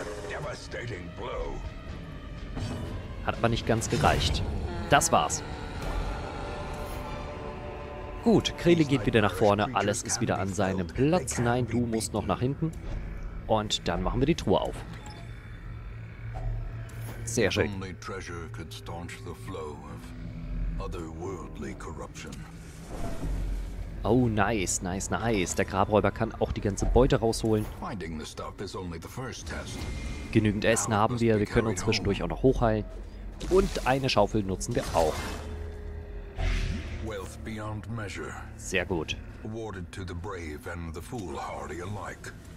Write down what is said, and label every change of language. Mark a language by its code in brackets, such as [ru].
[en] Devastating blow. [de] Hat aber nicht ganz gereicht. Das war's. Gut, Krele geht wieder nach vorne. Alles ist wieder an seinem Platz. Nein, du musst noch nach hinten. Und dann machen wir die Truhe auf. Sehr schön. [en] Only treasure could staunch the flow of otherworldly corruption. Oh, nice, nice, nice. [de] Der Grabräuber kann auch die ganze Beute rausholen. [en] Finding the stuff is only the first test. [de] Genügend Essen haben wir. Wir können uns zwischendurch auch noch hochheilen. Und eine Schaufel nutzen wir auch. [en] Wealth beyond measure. [de] Sehr gut. [en] Awarded to the brave and the foolhardy alike.